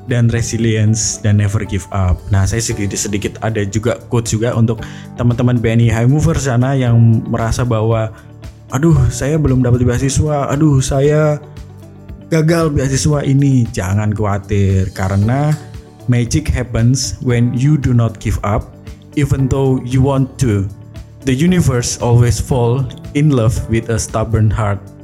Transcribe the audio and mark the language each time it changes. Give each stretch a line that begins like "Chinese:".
English: Dan resilience dan never give up.
Indonesian: Nah saya sedikit ada juga quote juga untuk teman-teman BNI High Mover sana yang merasa bahwa aduh saya belum dapat beasiswa, aduh saya gagal beasiswa ini. Jangan khawatir karena
English: magic happens when you do not give up even though you want to. The universe always fall in love with a stubborn heart.